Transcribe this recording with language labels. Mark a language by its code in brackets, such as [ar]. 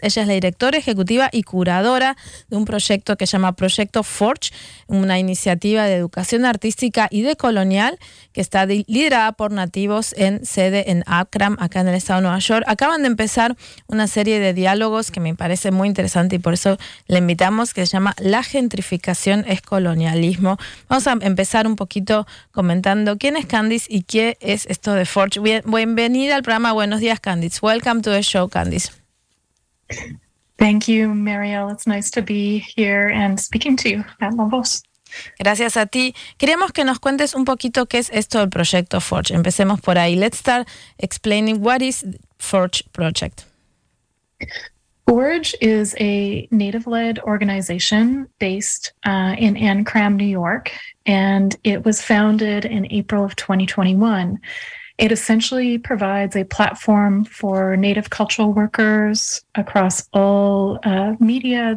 [es] Ella es la directora ejecutiva y curadora de un proyecto que se llama Proyecto Forge, una iniciativa de educación artística y decolonial que está liderada por nativos en sede en Akron, acá en el estado de Nueva York. Acaban de empezar una serie de diálogos que me parece muy interesante y por eso le invitamos, que se llama La gentrificación es colonialismo. Vamos a empezar un poquito comentando quién es Candice y qué es esto de Forge. Bienvenida al programa. Buenos días, Candice. [en] Welcome to the show, Candice. Thank you, Marielle. It's nice to be here and speaking to you at La Voz. [es] Gracias a ti. Queremos que nos cuentes un poquito qué es esto del proyecto Forge. Empecemos por ahí. [en] Let's start explaining what is Forge Project. Forge is a native-led organization based in Ankrum, New York, and it was founded in April of 2021. It essentially provides a platform for Native cultural workers across all media.